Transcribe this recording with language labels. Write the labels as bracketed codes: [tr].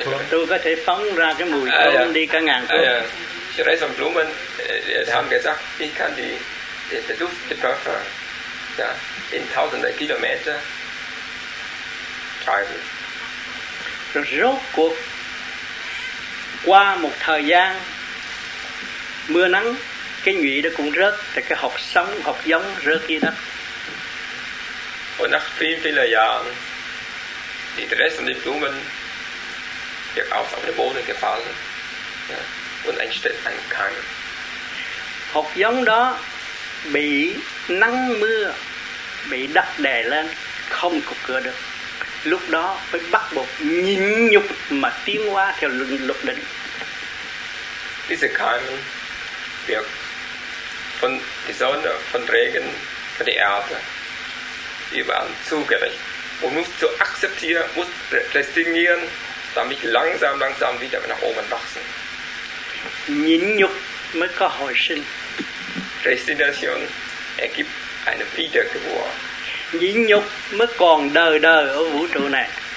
[vi] Tôi có thể phóng ra cái mùi thơm đi căn ngàn thơ. [en] The rest of Blumen. [de] Haben gesagt, ich kann die Duft, die Parfum, ja, in tausende Kilometer treiben. [vi] Rốt cuộc qua một thời gian mưa nắng, cái nhụy đó cũng rớt, thì cái hột sống, hột giống rớt đi đó. [de] Und nach vielen, vielen Jahren, die Reste und die Blumen sind auf den Boden gefallen, ja, und entsteht ein Keim. [vi] Hột giống đó bị nắng mưa, bị đất đè lên, không cục cửa được. Lúc đó phải bắt buộc nhịn nhục mà tiến hóa theo luật định. [de] Diese Keime wird von der Sonne, von Regen, von der Erde überall zugerichtet. Und muss zu akzeptieren, muss resignieren, damit langsam, langsam wieder nach oben wachsen. [vi] Nhịn nhục mới có hồi sinh. [de] Resignation ergibt eine Wiedergeburt. [vi] Nhịn nhục mới còn đời đời ở vũ trụ này.